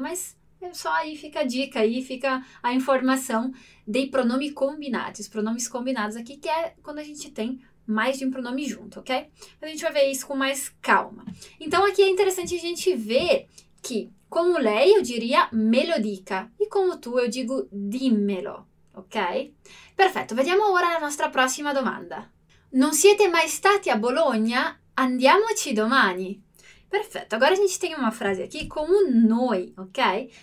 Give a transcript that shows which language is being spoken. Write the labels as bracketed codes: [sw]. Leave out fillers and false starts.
[pt] Mas é só aí fica a dica, aí fica a informação de pronome combinados, pronomes combinados aqui, que é quando a gente tem mais de um pronome junto, ok? A gente vai ver isso com mais calma. Então, aqui é interessante a gente ver que como lei eu diria [it] me lo dica [pt] e como tu eu digo dimmelo, ok? [it] Perfetto, vediamo ora la nostra prossima domanda. Non siete mai stati a Bologna? Andiamoci domani. Perfetto, [pt] agora a gente tem uma frase aqui com um noi, ok?